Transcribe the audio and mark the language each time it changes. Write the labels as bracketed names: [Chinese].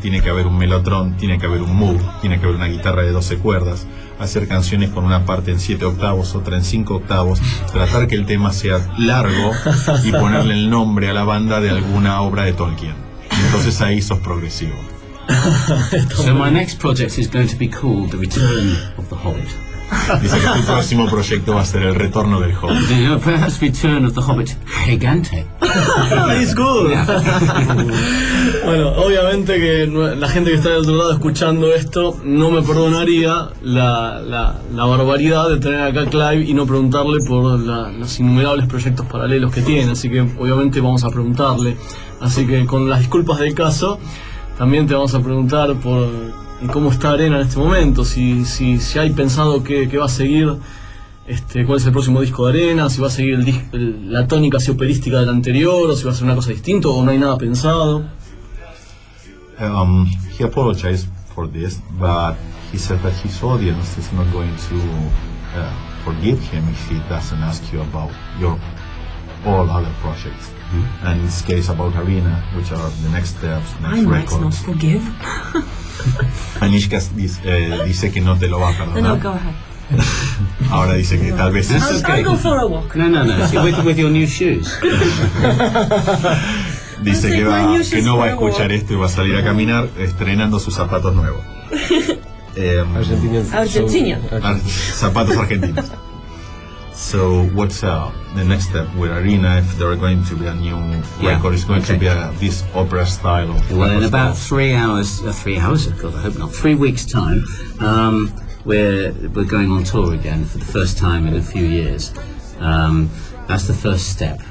[Spanish] Tiene que haber un melotrón, tiene que haber un Moog, tiene que haber una guitarra de 12 cuerdas. Hacer canciones con una parte en 7 octavos, otra en 5 octavos, tratar que el tema sea largo y ponerle el nombre a la banda de alguna obra de Tolkien. Entonces ahí sos progresivo. [English] So my next project is going to be called The Return of the Hobbit. [Spanish] Dice que tu próximo proyecto va a ser El Retorno del Hobbit. [English] You know, perhaps Return of the Hobbit Gigante. It's good. Yeah. [Spanish] Bueno, obviamente que la gente que está del otro lado escuchando esto no me perdonaría la barbaridad de tener acá a Clive y no preguntarle por los innumerables proyectos paralelos que tiene. Así que obviamente vamos a preguntarle. Así que con las disculpas del caso, también te vamos a preguntar por... ¿Y cómo está Arena en este momento? Si hay pensado que va a seguir, cuál es el próximo disco de Arena, si va a seguir la tónica así operística del anterior, o si va a ser una cosa distinta, o no hay nada pensado. [English] He apologized for this, but he said that his audience is not going to forgive him if he doesn't ask you about your all other projects. Mm-hmm. And in this case about Arena, which are the next steps, next records. I might not forgive. [Spanish] Anishka dice que no te lo va a perdonar. [English] No, go ahead. [Spanish] Ahora dice que tal vez [English] es okay. I'll go for a walk. No. So you're with your new shoes. [Spanish] Dice que va, que no va a escuchar esto y va a salir a caminar estrenando sus zapatos nuevos. Argentina. Zapatos argentinos. [English] So what's the next step with Arena, if there are going to be a new record, it's going to be this opera style? Well, in about 3 hours, three weeks' time, we're going on tour again for the first time in a few years. That's the first step.